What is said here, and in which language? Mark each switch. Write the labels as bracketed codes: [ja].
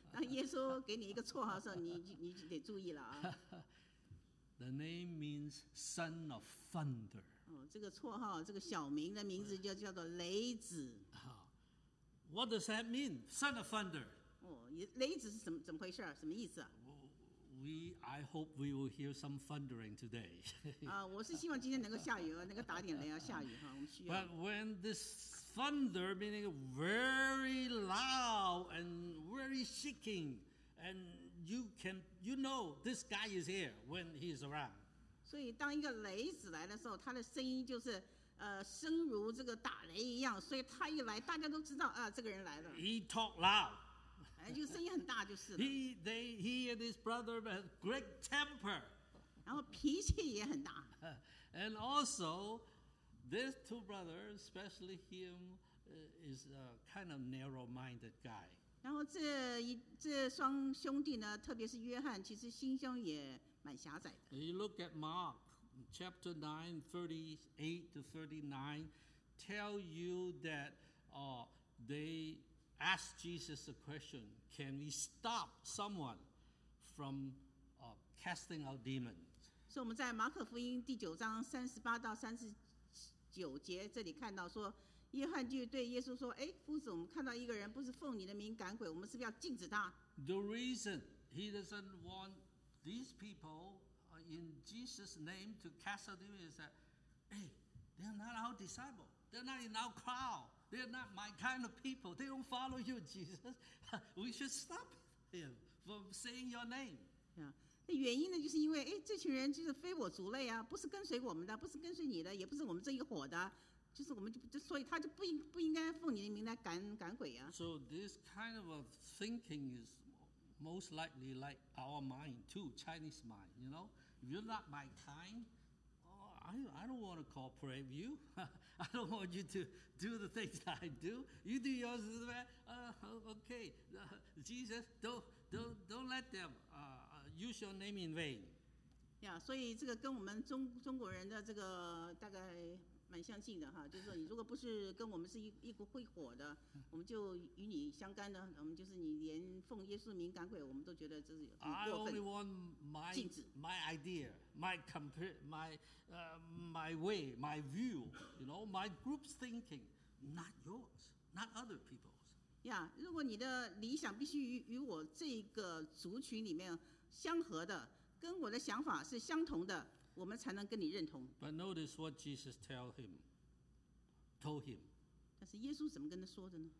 [zh] 当耶稣给你一个绰号的时候，你得注意了啊。 [en] The name means Son of Thunder. [zh] 这个绰号，这个小名的名字就叫做雷子。 [en] What does that mean, Son of Thunder? [zh] 雷子是怎么回事？什么意思啊？ [en] I hope we will hear some thundering today. [zh] 我是希望今天能够下雨，能够打点雷要下雨哈，我们需要。 [en] But when this thunder, meaning very loud and very shaking, and you know this guy is here when he is around. [zh] 所以当一个雷子来的时候，他的声音就是声如这个打雷一样，所以他一来，大家都知道这个人来了。 [en] He talk loud. [zh] 就声音很大就是 [en] 了。He and his brother had great temper. [zh] 然后脾气也很大。 [en] And also, these two brothers, especially him, is a kind of narrow-minded guy. [zh] 然后这双兄弟呢，特别是约翰，其实心胸也蛮狭窄的。 [en] You look at Mark chapter 9:38-39, tell you that they. Ask Jesus a question. Can we stop someone from casting out demons? So we in Mark [zh] 福音第九章三十八到三十九节这里看到说，约翰就对耶稣说：“哎，夫子，我们看到一个人不是奉你的名赶鬼，我们是不是要禁止他？” [en] The reason he doesn't want these people in Jesus' name to cast out demons is that, hey, they're not our disciple. They're not in our crowd. They're not my kind of people. They don't follow you, Jesus. We should stop him from saying your name. Yeah. [zh] 原因呢，就是因为，这群人就是非我族类啊，不是跟随我们的，不是跟随你的，也不是我们这一伙的，就是我们就所以他就不应该奉你的名来赶鬼啊。 [en] So this kind of a thinking is most likely like our mind too, Chinese mind. You know, if you're not my kind. I don't want to cooperate with you. I don't want you to do the things that I do. You do yours, man. Okay. Jesus, don't let them use your name in vain. [zh] Yeah, 所以这个跟我们中国人的这个大概蛮相近的哈，就是说你如果不是跟我们是一伙的，我们就与你相干的，我们就是你连奉耶稣名赶鬼，我们都觉得这是有过分。 [en] I only want my idea, my way, my view, you know, my group's thinking, not yours, not other people's. [zh] Yeah, 如果你的理想必须与我这个族群里面相合的，跟我的想法是相同的。我们才能跟你认同。 [en] But notice what Jesus told him. [zh] 但是耶稣怎么跟他说的呢？